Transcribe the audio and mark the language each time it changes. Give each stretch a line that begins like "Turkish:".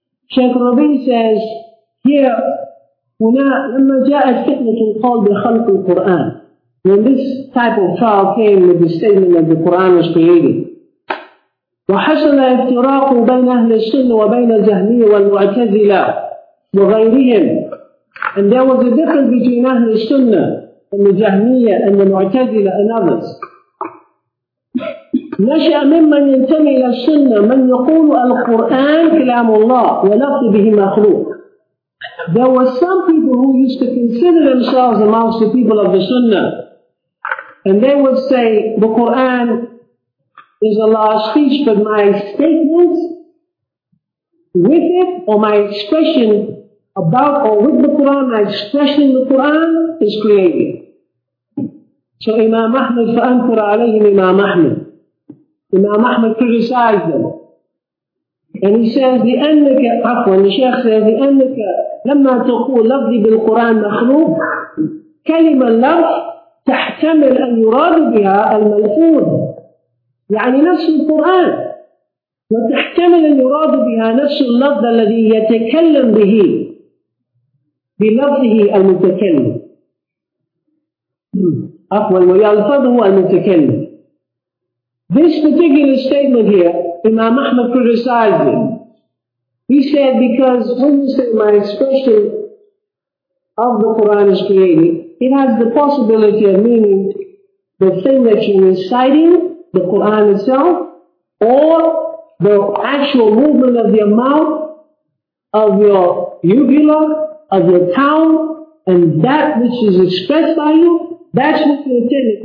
English: Sheikh Rabin says, here, when
Arabic: جاءت فتنة القلب خلق القرآن,
English: when this type of trial came with the statement that the Quran was created,
Arabic: وحصل افتراق بين أهل السنة وبين الجهمية والمعتزلة وغيرهم,
English: and there was a difference between أهل السنة and the جهمية and the معتزلة and others.
Arabic: نشأ ممن ينتمي إلى السنة من يقول القرآن كلام الله ولفظ به مخلوق.
English: There were some people who used to consider themselves amongst the people of the Sunnah, and they would say the Quran is Allah's speech, but my statement with it, or my expression about or with the Quran, my expression in the Quran is created. So Imam Ahmad
Arabic: فأنكر عليهم
English: Imam Ahmad. Imam Ahmad criticized them. And he says, the Sheikh says,
Arabic: لما تقول لفظي بالقرآن مخلوق كلمة لفظ تحتمل أن يراد بها الملفوظ, يعني نفس القرآن, وتحتمل أن يراد بها نفس اللفظ الذي يتكلم به بلفظه المتكلم, ويلفظه المتكلم.
English: This particular statement here, Imam Ahmad criticized him. He said, because when you say my expression of the Quran is created, it has the possibility of meaning the thing that you're reciting, the Quran itself, or the actual movement of your mouth, of your uvula, of your tongue, and that which is expressed by you, that's what you intended.